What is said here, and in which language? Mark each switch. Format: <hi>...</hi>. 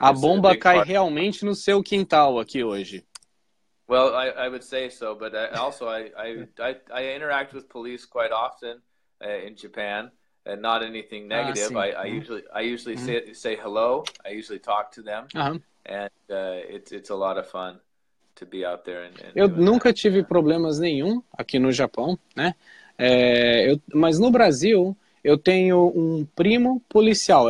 <pt>A bomba cai realmente no seu quintal aqui hoje.</pt> <en>Well, I would say so, but also I interact with police quite often in Japan, and not anything negative. Ah, I usually say hello. I usually talk to them, uh-huh. And it's a lot of fun to be out there.</en> <pt>Eu nunca tive problemas nenhum aqui no Japão, né? Mas no Brasil eu tenho um primo policial.</pt>